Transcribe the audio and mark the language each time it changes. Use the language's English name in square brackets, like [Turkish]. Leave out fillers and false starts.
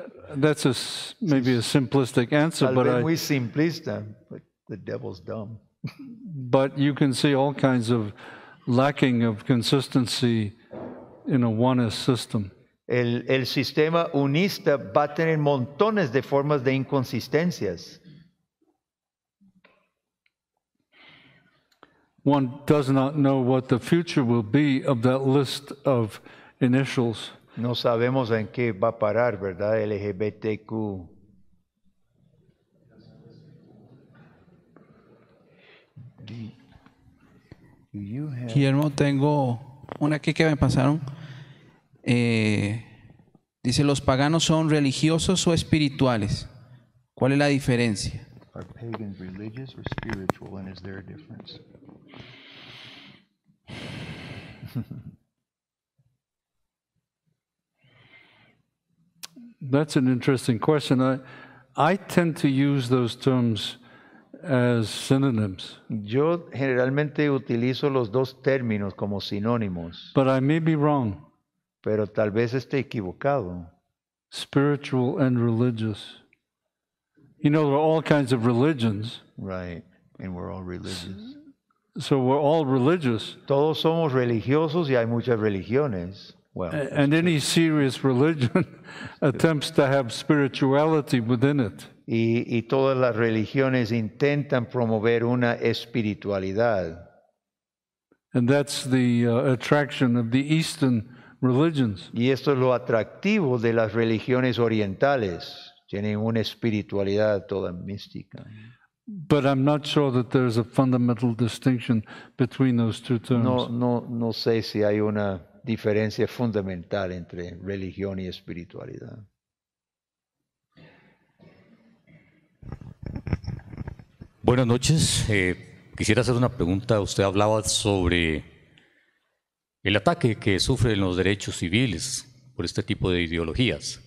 [English] That's maybe a simplistic answer, but [Spanish] muy simplista, [English] but the devil's dumb. But you can see all kinds of lacking of consistency in a oneist system. [Spanish] El sistema unista va a tener montones de formas de inconsistencias. [English] One does not know what the future will be of that list of initials. [Spanish] No sabemos en qué va a parar, ¿verdad? [English] LGBTQ. [Spanish] Guillermo, tengo una aquí que me pasaron. Dice, ¿los paganos son religiosos o espirituales? ¿Cuál es la diferencia? [English] Are pagans religious or spiritual, and is there a difference? That's an interesting question. I tend to use those terms as synonyms. [Spanish] Yo generalmente utilizo los dos términos como sinónimos. [English] But I may be wrong. [Spanish] Pero tal vez esté equivocado. [English] Spiritual and religious. You know, there are all kinds of religions. Right, and we're all religious. So we're all religious. [Spanish] Todos somos religiosos y hay muchas religiones. [English] Well, and any serious religion attempts to have spirituality within it. [Spanish] Y todas las religiones intentan promover una espiritualidad. [English] And that's the attraction of the Eastern religions. [Spanish] Y esto es lo atractivo de las religiones orientales. Tienen una espiritualidad toda mística. [English] But I'm not sure that there's a fundamental distinction between those two terms. [Spanish] No sé si hay una diferencia fundamental entre religión y espiritualidad. Buenas noches. Quisiera hacer una pregunta. Usted hablaba sobre el ataque que sufren los derechos civiles por este tipo de ideologías.